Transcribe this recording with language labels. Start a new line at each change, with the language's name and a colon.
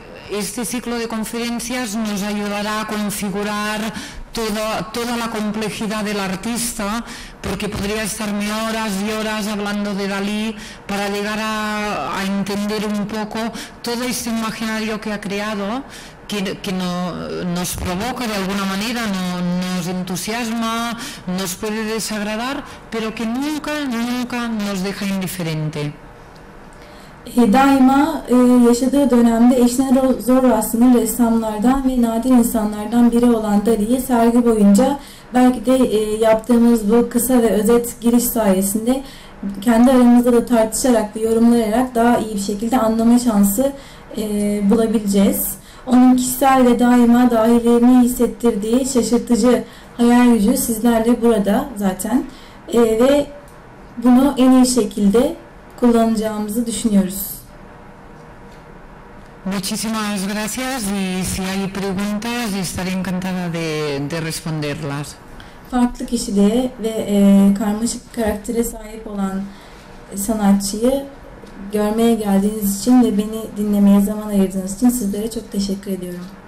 Spanish: Este ciclo de conferencias nos ayudará a configurar toda la complejidad del artista, porque podría estarme horas y horas hablando de Dalí para llegar a entender un poco todo este imaginario que ha creado, que no, nos provoca de alguna manera, no, nos entusiasma, nos puede desagradar, pero que nunca, nunca nos deja indiferente.
Turkish: Daima yaşadığı dönemde eşine zor rastlanan ressamlardan ve nadir insanlardan biri olan Dali'yi sergi boyunca belki de yaptığımız bu kısa ve özet giriş sayesinde kendi aramızda da tartışarak ve yorumlayarak daha iyi bir şekilde anlama şansı bulabileceğiz. Onun kişisel ve daima dahilerini hissettirdiği şaşırtıcı hayal gücü sizlerle burada zaten ve bunu en iyi şekilde kullanacağımızı düşünüyoruz.
Spanish: Muchísimas gracias y si hay preguntas estaré encantada de responderlas.
Turkish: Farklı kişiliğe ve karmaşık karaktere sahip olan sanatçıyı görmeye geldiğiniz için ve beni dinlemeye zaman ayırdığınız için sizlere çok teşekkür ediyorum.